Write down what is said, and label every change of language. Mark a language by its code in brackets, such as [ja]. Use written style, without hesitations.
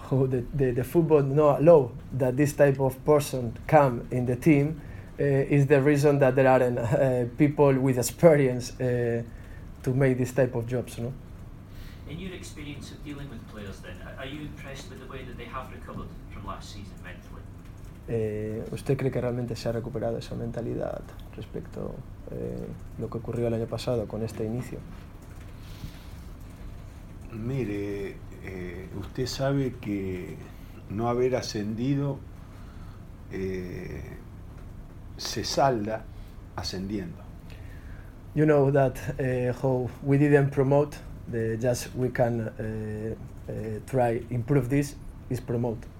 [en] Oh, the football no allow that this type of person come in the team. Is the reason that there aren't people with experience to make this type of jobs, no? In your experience of dealing with players, then, are you impressed with the way that they have recovered from last season mentally? [es] ¿Usted cree que realmente se ha recuperado esa mentalidad respecto lo que ocurrió el año pasado con este inicio? Mire, usted sabe que no haber ascendido se salda ascendiendo. [en] You know that how we didn't promote, just we can try improve this is promote.